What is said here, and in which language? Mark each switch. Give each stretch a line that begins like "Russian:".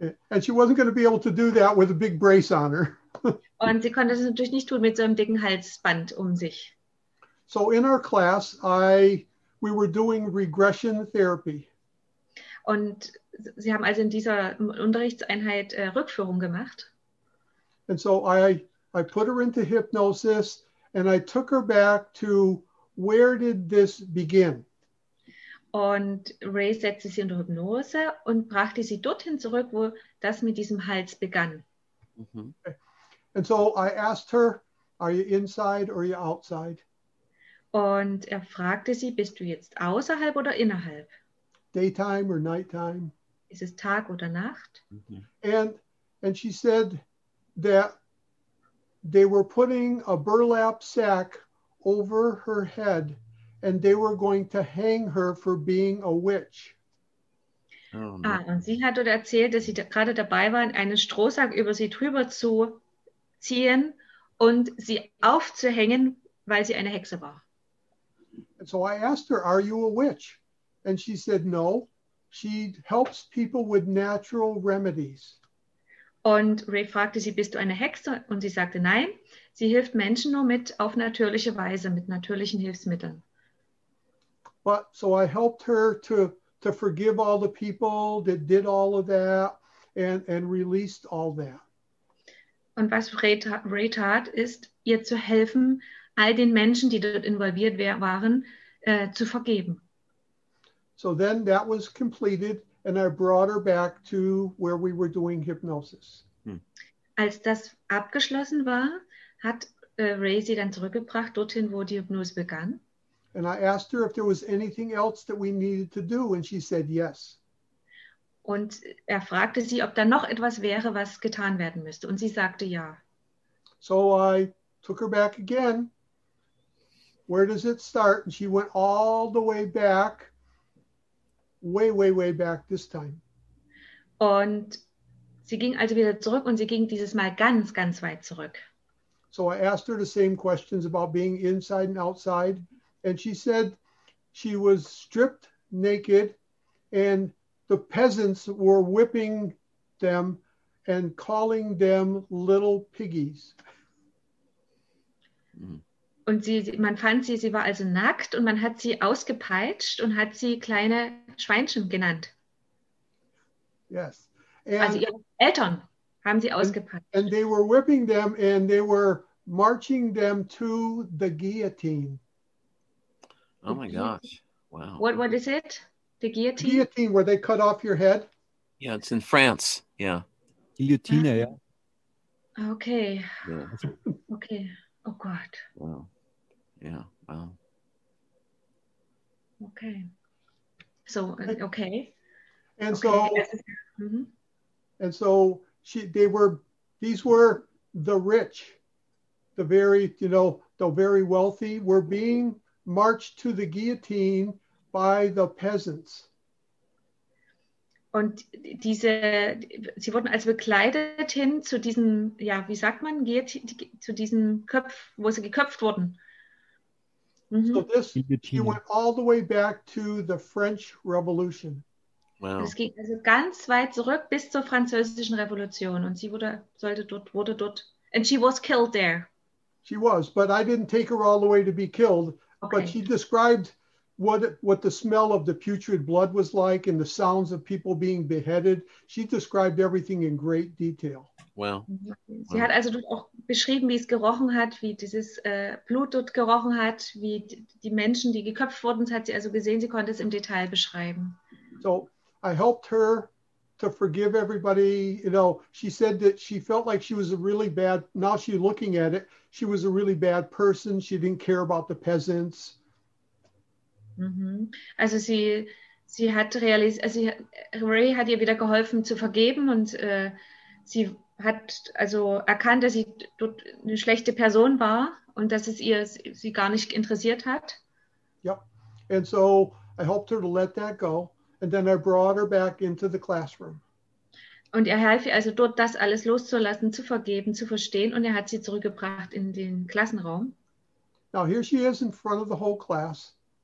English: And she wasn't going to be able to do that with a big brace on her.
German: Und sie konnte es natürlich nicht tun mit so einem dicken Halsband um sich.
English: So in our class, we were doing regression therapy.
German: Und sie haben also in dieser Unterrichtseinheit Rückführung gemacht.
English: And so I put her into hypnosis and I took her back to where did this begin?
German: Und Ray setzte sie unter Hypnose und brachte sie dorthin zurück, wo das mit diesem Hals begann. Mm-hmm.
English: And so I asked her, are you inside or are you outside?
German: Und fragte sie, bist du jetzt außerhalb oder innerhalb?
English: Daytime or nighttime?
German: Ist es Tag oder Nacht? Mm-hmm.
English: And she said that they were putting a burlap sack over her head and they were going to hang her for being a witch. Oh, no.
German: Ah, und sie hat dort erzählt, dass sie gerade dabei waren, einen Strohsack über sie drüber zu ziehen und sie aufzuhängen, weil sie eine Hexe war.
English: And so I asked her, are you a witch? And she said, no, she helps people with natural remedies.
German: Und Ray fragte sie, bist du eine Hexe? Und sie sagte, nein, sie hilft Menschen nur mit auf natürliche Weise, mit natürlichen Hilfsmitteln.
English: But so I helped her to forgive all the people that did all of that and released all that.
German: Und was Ray tat, ist ihr zu helfen, all den Menschen, die dort involviert waren, zu vergeben.
English: So then that was completed. And I brought her back to where we were doing hypnosis.
German: Als das abgeschlossen war, hat Ray sie dann zurückgebracht dorthin, wo die Hypnose begann.
English: And I asked her if there was anything else that we needed to do, and she said yes.
German: Und fragte sie, ob da noch etwas wäre, was getan werden müsste, und sie sagte ja.
English: So I took her back again. Where does it start? And she went all the way back. Way, way, way back this time.
German: Und sie ging also wieder zurück und sie ging dieses Mal ganz, ganz weit zurück.
English: So I asked her the same questions about being inside and outside. And she said she was stripped naked and the peasants were whipping them and calling them little piggies.
German: Und sie war also nackt und man hat sie ausgepeitscht und hat sie kleine Schweinchen genannt.
English: Yes.
German: And, also ihre Eltern haben sie ausgepeitscht.
English: And they were whipping them and they were marching them to the guillotine. Oh my gosh. Wow. What is it? The guillotine? Guillotine, where they cut off your head. Yeah, it's in France. Yeah. Guillotine, yeah. Okay. Yeah. Okay. Oh God. Wow. Yeah. Wow. Okay. So, okay. And okay. So, mm-hmm. And so these were the rich, the very, you know, the very wealthy were being marched to the guillotine by the peasants.
German: Und diese, sie wurden also begleitet hin zu diesen, ja, wie sagt man, zu diesen Köpf, wo sie geköpft wurden. Mhm.
English: So this, you went all the way back to the French Revolution.
German: Wow. Es ging also ganz weit zurück bis zur Französischen Revolution und sie wurde dort,
English: and she was killed there. She was, but I didn't take her all the way to be killed, okay. But she described what the smell of the putrid blood was like and the sounds of people being beheaded. She described everything in great detail. Well,
German: sie hat also auch beschrieben, wie es gerochen hat, wie dieses Blut dort gerochen hat, wie die Menschen, die geköpft wurden, das hat sie also gesehen, sie konnte es im Detail beschreiben.
English: So, I helped her to forgive everybody, you know, she said that she felt like she was a really bad, now she's looking at it, she was a really bad person, she didn't care about the peasants.
German: Also sie hat realisiert, also Ray hat ihr wieder geholfen zu vergeben und sie hat also erkannt, dass sie dort eine schlechte Person war und dass es ihr sie gar nicht interessiert hat. Ja, yep.
English: And so I helped her to let that go and then I brought her back into the classroom.
German: Und er half ihr also dort das alles loszulassen, zu vergeben, zu verstehen und er hat sie zurückgebracht in den Klassenraum.
English: Now here she is in front of the whole class.